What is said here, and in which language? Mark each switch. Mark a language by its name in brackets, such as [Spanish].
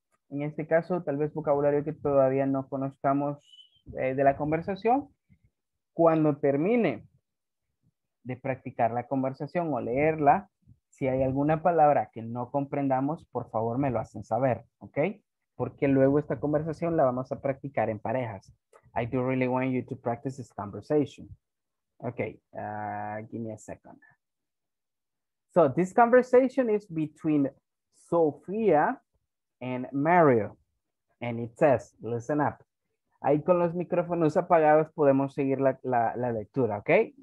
[Spanish] En este caso, tal vez vocabulario que todavía no conozcamos de la conversación. Cuando termine de practicar la conversación o leerla, si hay alguna palabra que no comprendamos, por favor me lo hacen saber, ¿ok? Porque luego esta conversación la vamos a practicar en parejas. [English] I do really want you to practice this conversation. Ok, give me a second. So this conversation is between Sofía and Mario. And it says, listen up. [Spanish] Ahí con los micrófonos apagados podemos seguir la lectura, ¿ok?